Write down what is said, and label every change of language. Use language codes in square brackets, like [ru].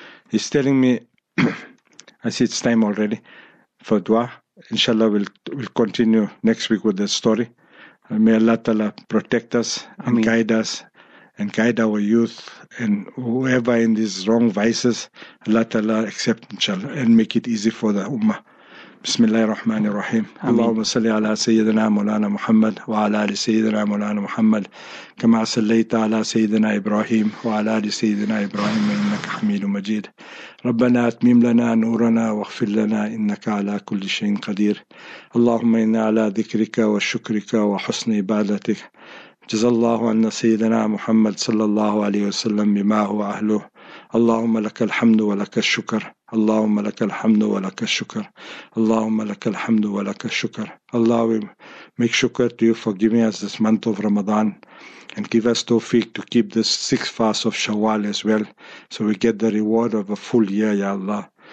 [en] He's telling me, I said, it's time already for dua. Inshallah, we'll continue next week with that story. May Allah Ta'ala protect us and guide us and guide our youth and whoever in these wrong vices, Allah Ta'ala accept, inshallah, and make it easy for the ummah. [ar] بسم الله الرحمن الرحيم اللهم صل على سيدنا مولانا محمد وعلى آل سيدنا مولانا محمد كما صليت على سيدنا إبراهيم وعلى آل سيدنا إبراهيم إنك حميد مجيد ربنا أتمم لنا نورنا واغفر لنا إنك على كل شيء قدير اللهم إنا على ذكرك وشكرك وحسن عبادتك جزا الله عنا سيدنا محمد صلى الله عليه وسلم بما هو أهله اللهم لك الحمد ولك الشكر [en] اللهم لك الحمد ولك الشكر اللهم لك الحمد ولك الشكر Allah, we make shukr to you for giving us this month of Ramadan and give us tawfiq to keep this sixth fast of Shawwal as well, so we get the reward of a full year, Ya Allah.